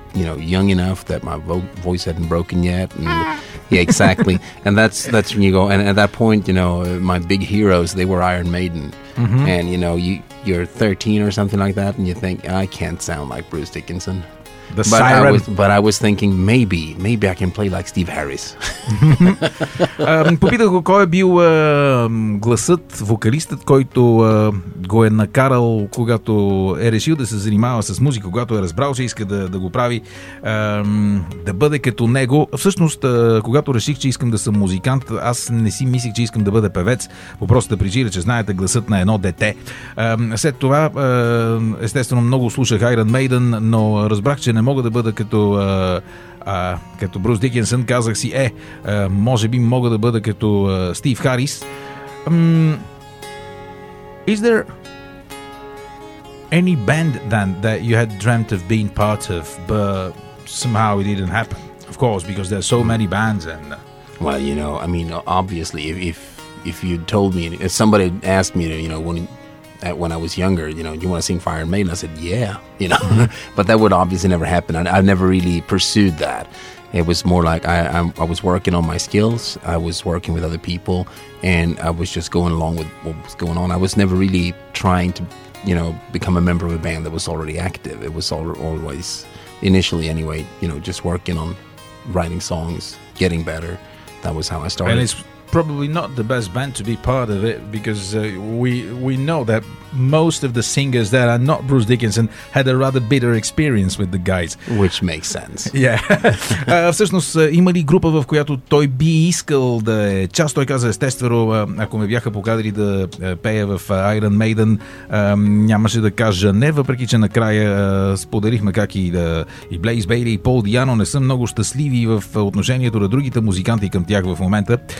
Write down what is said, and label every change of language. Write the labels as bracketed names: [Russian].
[English] you know, young enough that my voice hadn't broken yet. And, yeah, exactly. And that's when you go. And at that point, you know, my big heroes, they were Iron Maiden. Mm-hmm. And, you know, you're 13 or something like that, and you think, I can't sound like Bruce Dickinson. But I was thinking, maybe I can play like Steve Harris. [Bulgarian] Попитах го кой е бил гласът, вокалистът, който го е накарал, когато е решил да се занимава с музика, когато е разбрал, че иска да го прави, да бъде като него. Всъщност, когато реших, че искам да съм музикант, аз не си мислих, че искам да бъда певец, по простата причина, че знаете гласът на едно дете. След това, естествено, много слушах Iron Maiden, но разбрах, че не мога да бъда като Брус Дикинсън. Казах си, може би мога да бъда като Стив Харис. [English] Is there any band then that you had dreamt of being part of, but somehow it didn't happen? Of course, because there are so many bands. And well, you know, I mean, obviously, if you told me, if somebody asked me, you know, when I was younger, you know, you want to sing Fire and Maiden? I said, yeah, you know, but that would obviously never happen. I never really pursued that. It was more like I was working on my skills. I was working with other people and I was just going along with what was going on. I was never really trying to, you know, become a member of a band that was already active. It was always initially anyway, you know, just working on writing songs, getting better. That was how I started. And it's probably not the best band to be part of it, because we know that most of the singers that are not Bruce Dickinson had a rather bitter experience with the guys. Which makes sense. Yeah. [Bulgarian] Всъщност, има ли група, в която той би искал да е част? Той каза, естествено, ако ме бяха покадали да пея в Iron Maiden, нямаше да кажа не, въпреки че накрая споделихме как и Blaze Bailey и Paul Di'Anno не са много щастливи в отношението на другите музиканти към тях в момента.